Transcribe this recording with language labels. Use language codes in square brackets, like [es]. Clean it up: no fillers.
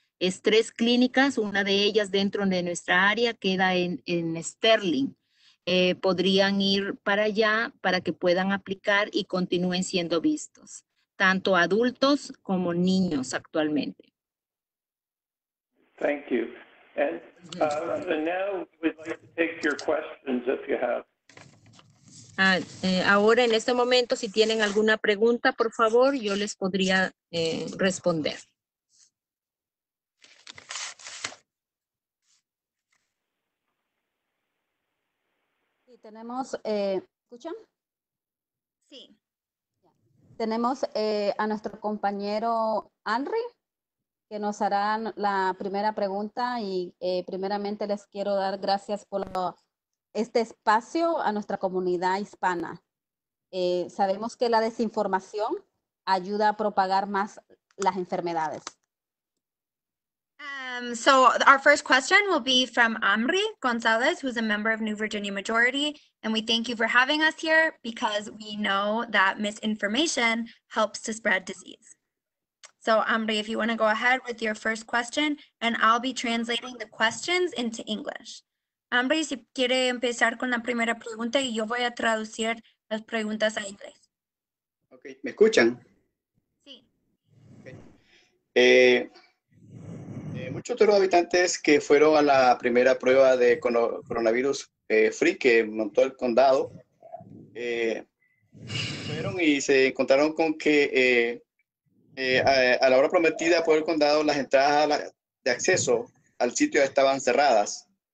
[es] Es tres clínicas, una de ellas dentro de nuestra área queda en Sterling. Podrían ir para allá para que puedan aplicar y continúen siendo vistos, tanto adultos como niños actualmente. [en] Thank you. And now we'd like to take your questions if you have. [es] Ahora, en este momento, si tienen alguna pregunta, por favor, yo les podría responder. Sí, tenemos, ¿escuchan? Sí. Tenemos a nuestro compañero Henry, que nos hará la primera pregunta y primeramente les quiero dar gracias por la este espacio a nuestra comunidad hispana. Sabemos que la desinformación ayuda a propagar más las enfermedades. [en] So our first question will be from Amri Gonzalez, who's a member of New Virginia Majority, and we thank you for having us here because we know that misinformation helps to spread disease. So Amri, if you want to go ahead with your first question, and I'll be translating the questions into English. [es] Amri, si quiere empezar con la primera pregunta y yo voy a traducir las preguntas a inglés. Ok, ¿me escuchan? Sí. Okay. Muchos de los habitantes que fueron a la primera prueba de coronavirus free que montó el condado, fueron y se encontraron con que a la hora prometida por el condado, las entradas de acceso al sitio estaban cerradas.